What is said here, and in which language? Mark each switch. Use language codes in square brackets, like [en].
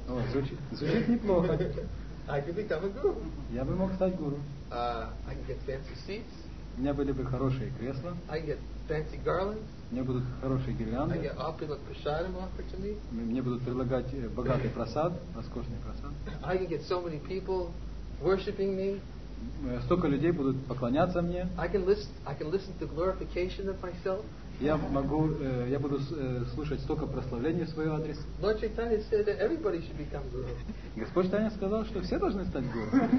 [ru] О, звучит неплохо. [en] I could become a guru. [ru] Я бы мог стать гуру. [en] I can get fancy seats. [ru] У меня были бы хорошие кресла. [en] I get fancy garlands. [ru] У меня будут хорошие гирлянды. [en] I get opulent prasadam offered to me. [ru] Мне будут предлагать богатый просад, роскошный просад. [en] I can get so many people worshiping me. [ru] Столько людей будут поклоняться мне. [en] I can listen to glorification of myself. [ru] Я могу, я буду слушать столько прославлений в свой адрес. [en] Lord Chaitanya said that everybody should become guru. [ru] Господь Чайтанья сказал, что все должны стать гуру.